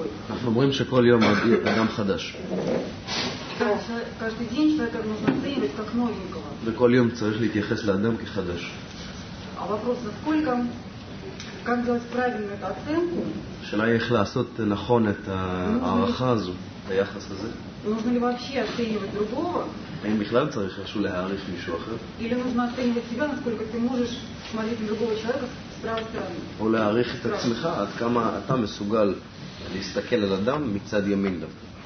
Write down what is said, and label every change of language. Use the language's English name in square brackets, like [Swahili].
[Hebrew] אנחנו אומרים שכל יום מגיע אדם חדש. [Russian] Каждый день человека нужно оценивать как новенького. [Hebrew] וכל יום צריך להתייחס לאדם כחדש. [Russian] А вопрос за сколько? Как делать правильно эту оценку? [Hebrew] שאלה איך לעשות נכון את הערכה הזו, את היחס הזה. [Russian] Нужно ли вообще оценивать другого? [Hebrew] האם בכלל צריך איזשהו להעריך מישהו אחר? [Russian] Или нужно оценивать себя, насколько ты можешь смотреть на другого человека справа стороны? [Hebrew] או להעריך את עצמך, עד כמה אתה מסוגל להסתכל על אדם מצד ימין דווקא.